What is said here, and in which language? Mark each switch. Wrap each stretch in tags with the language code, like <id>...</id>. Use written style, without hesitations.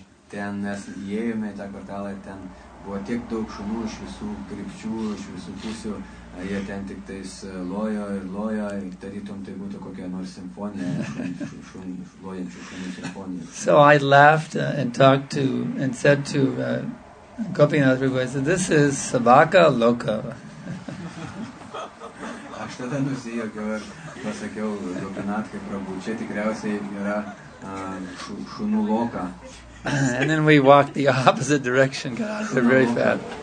<lt>Ten mes įėjome į tą kvartalą ir ten buvo tiek daug šunų iš visų krypčių, iš visų pusių. Jie ten tik tais lojo ir tarytum tai būtų kokia nors simfonija, lojančių šunų simfonija.</lt> <en>So I laughed and talked to and said to Gopinath Prabhu, I said, this is Savaka Loka.</en> <lt>Aš tada nusijokiau ir pasakiau Gopinath Prabhu, čia tikriausiai yra šunų loka.</lt> <en>And then we walked the opposite direction, they're very fat.</en>